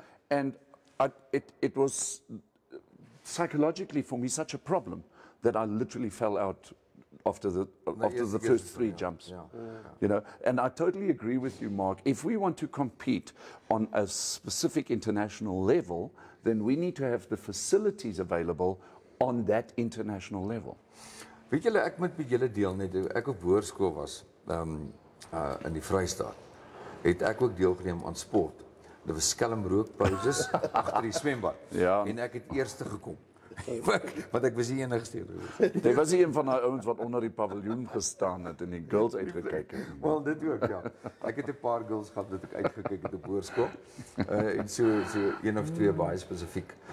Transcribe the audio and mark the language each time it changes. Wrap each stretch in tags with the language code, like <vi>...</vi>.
<en>And it was psychologically for me such a problem that I literally fell out after the first three jumps. You know, and I totally agree with you, Mark. If we want to compete on a specific international level, then we need to have the facilities available on that international level.</en> <af>Weet julle, ek moet met julle deel net, ek op hoërskool was, in die Vrystaat, het ek ook deelgeneem aan sport. Dit was skelm rookpauzes agter die swembad. Ja. En ek het eerste gekom. Want ek was die enigste. Dit was die een van die ouens wat onder die paviljoen gestaan het en die girls uitgekyk het. Wel, dit ook, ja. Ek het 'n paar girls gehad dat ek uitgekyk het op hoërskool. En so een of twee baie spesifiek.</af>